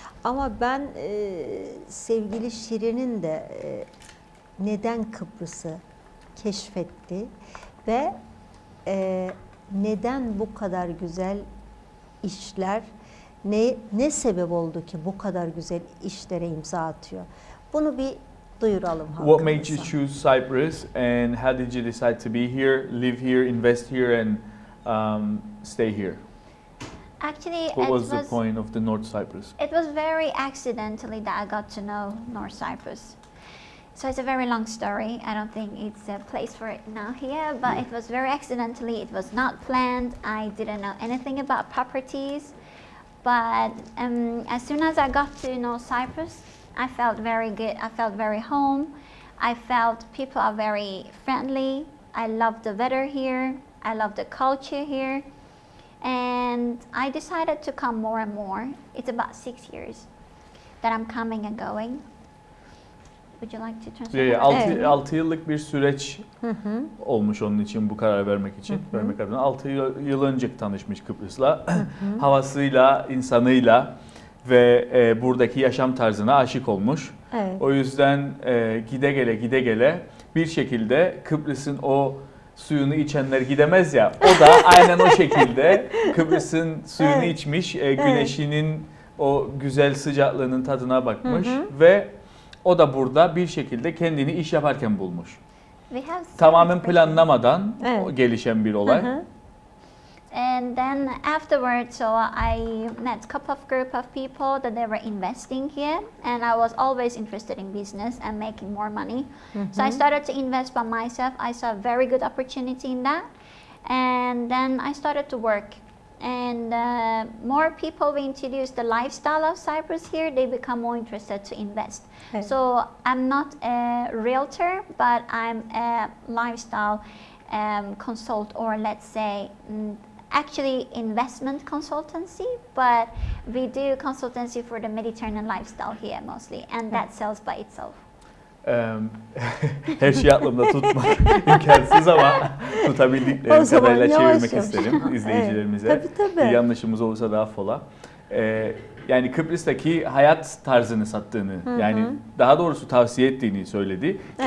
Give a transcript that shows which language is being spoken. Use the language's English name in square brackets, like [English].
[Turkish] Ama ben sevgili Şirin'in de neden Kıbrıs'ı keşfetti ve neden bu kadar güzel işler, ne sebep oldu ki bu kadar güzel işlere imza atıyor? Bunu bir duyuralım halkımıza. [English] What made you choose Cyprus and how did you decide to be here, live here, invest here and stay here? Actually, what was the point of the North Cyprus? It was very accidentally that I got to know North Cyprus. So it's a very long story. I don't think it's a place for it now here, but it was very accidentally. It was not planned. I didn't know anything about properties. But as soon as I got to North Cyprus, I felt very good. I felt very home. I felt people are very friendly. I love the weather here. I love the culture here. And I decided to come more and more. It's about 6 years that I'm coming and going. Would you like to transfer? [Turkish] Yeah, 6 yıllık bir süreç olmuş onun için bu kararı vermek için. Vermek adına 6 yıl önce tanışmış Kıbrıs'la. Havasıyla, insanıyla ve buradaki yaşam tarzına aşık olmuş. Evet. O yüzden gide gele bir şekilde Kıbrıs'ın o suyunu içenler gidemez ya, o da aynen o şekilde Kıbrıs'ın suyunu içmiş, güneşinin o güzel sıcaklığının tadına bakmış. Hı hı. Ve o da burada bir şekilde kendini iş yaparken bulmuş. Tamamen planlamadan gelişen bir olay. Hı hı. [English] And then afterwards, so I met a couple of group of people that they were investing here, and I was always interested in business and making more money. Mm-hmm. So I started to invest by myself. I saw a very good opportunity in that. And then I started to work. And more people we introduce the lifestyle of Cyprus here, they become more interested to invest. Okay. So I'm not a realtor, but I'm a lifestyle consult, or let's say actually investment consultancy, but we do consultancy for the Mediterranean lifestyle here mostly, and that sells by itself. [Turkish] Her şeyi aklımda tutma imkansız ama tutabildiklerim kadarıyla çevirmek isterim izleyicilerimize. Evet, tabii tabii. Bir yanlışımız olursa daha fola. Yani Kıbrıs'taki hayat tarzını sattığını, yani daha doğrusu tavsiye ettiğini söyledi. Evet.